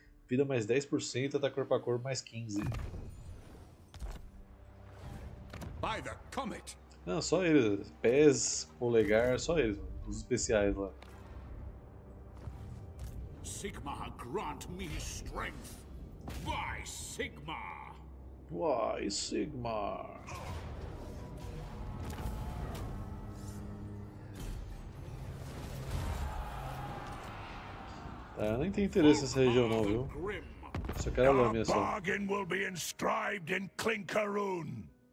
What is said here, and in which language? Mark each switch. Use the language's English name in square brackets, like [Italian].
[Portuguese] Vida mais 10%, ataque corpo a corpo mais 15%. [English] By the comet. [Portuguese] Não, só eles, pés, polegar, só eles, os especiais lá. [English] Sigma, grant me strength. By Sigma. [Portuguese] Vai, Sigmar! Tá, eu nem tenho interesse nessa região não, viu? Só quero a lâmina só. [English] Bargain will be inscribed in Klinkaroon.